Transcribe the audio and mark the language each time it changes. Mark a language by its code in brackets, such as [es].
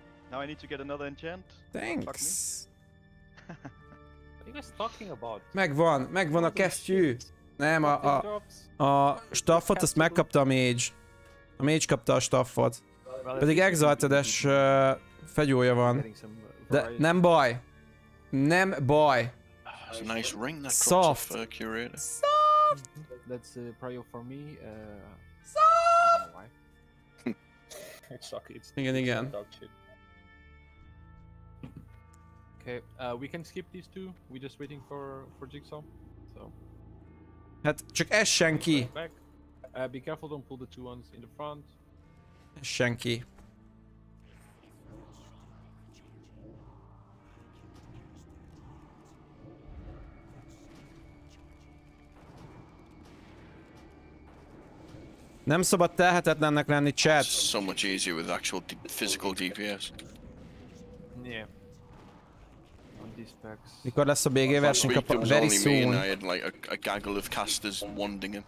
[en] Now I need to get another enchant. Thanks! What are you guys talking about? [hu] Megvan! Megvan a kesztyű! Nem, a staffot azt megkapta a mage. A mage kapta a staffot. Pedig exalted-es fegyója van. De nem baj! Nem baj! [en] A nice ring that soft. Drops off, curator. Soft! That's a prior for me. Soft! I don't know why. Again. Okay, we can skip these two. We're just waiting for Jigsaw. So. [hu] Hát csak ez senki. [en] Be careful, don't pull the two ones in the front. [hu] Senki. Nem szabad tehetetlennek lenni, chat. [en] It's so much easier with actual physical DPS. Yeah. On these packs. [hu] Mikor lesz a BG verseny kapva? [en] Very soon. I had like a gaggle of casters wanding him.